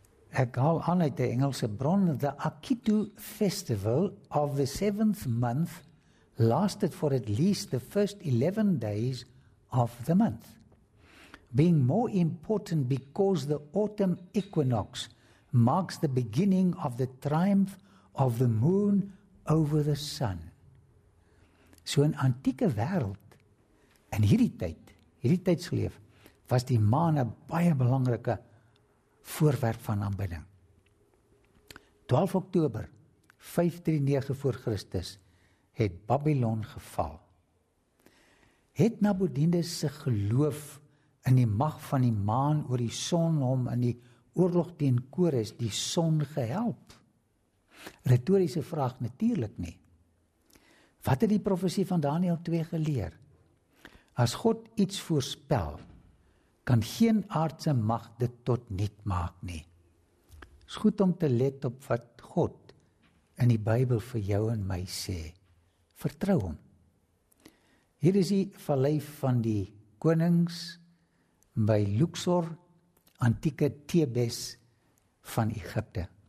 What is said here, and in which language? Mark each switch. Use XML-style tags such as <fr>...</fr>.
<af>Ek haal aan uit die Engelse bron,</af> <en>the Akitu Festival of the 7th month lasted for at least the first 11 days of the month, being more important because the autumn equinox marks the beginning of the triumph of the moon over the sun.</en> <af>So in antieke wêreld, in hierdie tydsgeleef, was die maan 'n baie belangrike voorwerp van aanbidding. 12 Oktober 539 voor Christus het Babylon geval. Het Nabonidus se geloof in die mag van die maan oor die son hom in die oorlog teen Kores die son gehelp? Retoriese vraag natuurlik nie. Wat het die profesie van Daniël 2 geleer? As God iets voorspel, kan geen aardse mag dit tot niet maak nie. Is goed om te let op wat God in die Bybel vir jou en my sê. Vertrou hom. Hier is die vallei van die konings by Luxor, antieke Thebes van Egypte.</af>